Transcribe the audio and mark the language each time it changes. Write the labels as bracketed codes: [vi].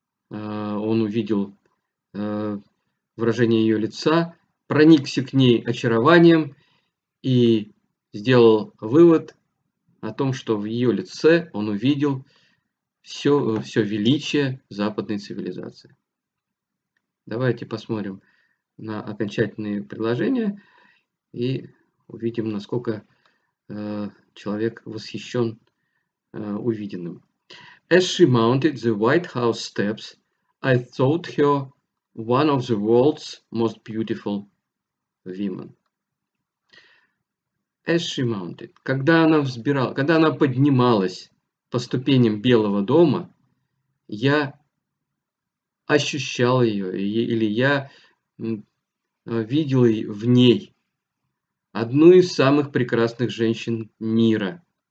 [ru] Он увидел выражение ее лица, проникся к ней очарованием и сделал вывод о том, что в ее лице он увидел все величие западной цивилизации. Давайте посмотрим на окончательные предложения и увидим, насколько человек восхищен увиденным. [en] As she mounted the White House steps, I thought her one of the world's most beautiful women. As she mounted. [ru] Когда она поднималась по ступеням Белого дома, я ощущал ее, или я видел в ней одну из самых прекрасных женщин мира.